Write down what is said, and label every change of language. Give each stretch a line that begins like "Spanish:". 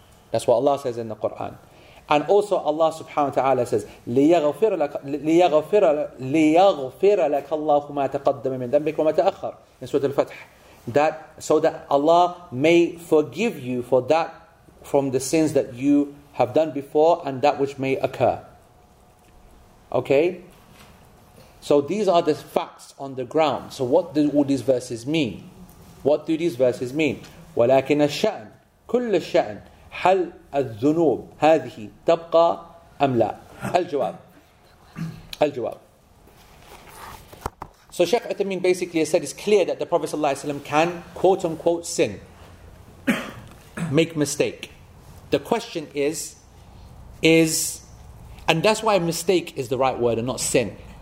English: That's what Allah says in the Quran. And also Allah subhanahu wa ta'ala says,
Arabic: لِيَغْفِرَ لَكَ اللَّهُ مَا تَقَدَّمَ مِنْ ذَنْبِكَ وَمَا تَأَخَّرَ
English: in Surah Al-Fath. That, so that Allah may forgive you for that from the sins that you have done before and that which may occur. Okay? So these are the facts on the ground. So what do all these verses mean? What do these verses mean?
Arabic: ولكن الشأن كل الشأن هل الذنوب هذه تبقى أم لا؟ الجواب.
English: So Sheikh Uthaymeen basically has said it's clear that the Prophet sallallahu alaihi wasallam can quote unquote sin, make mistake. The question is, and that's why mistake is the right word and not sin.